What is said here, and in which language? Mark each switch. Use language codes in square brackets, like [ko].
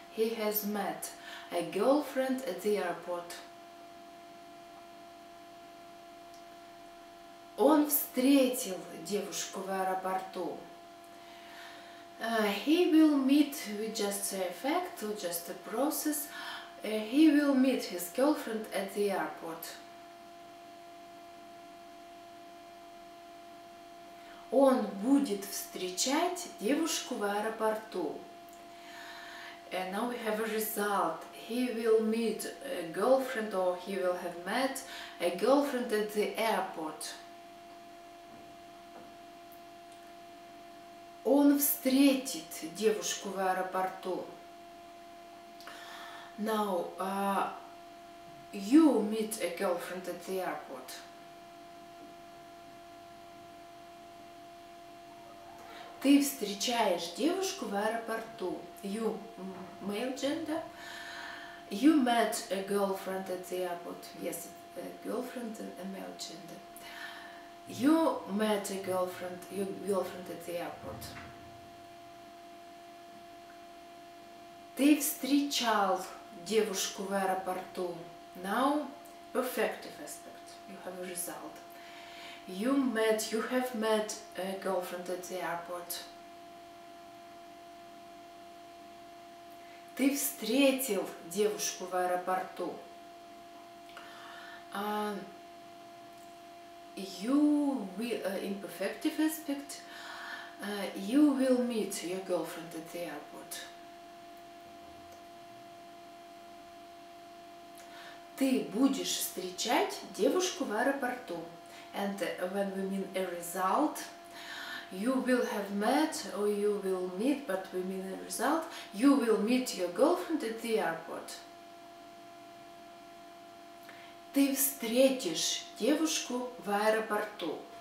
[en] He has met a girlfriend at the airport. [ru] Он встретил девушку в аэропорту. [en] He will meet, with just a fact, just a process. He will meet his girlfriend at the airport. [ru] Он будет встречать девушку в аэропорту. [en] And now we have a result. He will meet a girlfriend, or he will have met a girlfriend at the airport. [ru] Он встретит девушку в аэропорту. [en] Now, you meet a girlfriend at the airport. [ru] Ты встречаешь девушку в аэропорту. [en] You, male gender. You met a girlfriend at the airport. Yes, a girlfriend, a male gender. You met a girlfriend, your girlfriend at the airport. [ru] Ты встречал девушку в аэропорту. [en] Now, perfective aspect. You have a result. You met, you have met a girlfriend at the airport. [ru] Ты встретил девушку в аэропорту. [en] You will, imperfective aspect, you will meet your girlfriend at the airport. [ru] Ты будешь встречать девушку в аэропорту. [en] And when we mean a result, you will have met, or you will meet, but we mean a result, you will meet your girlfriend at the airport. [ru] Ты встретишь девушку в аэропорту.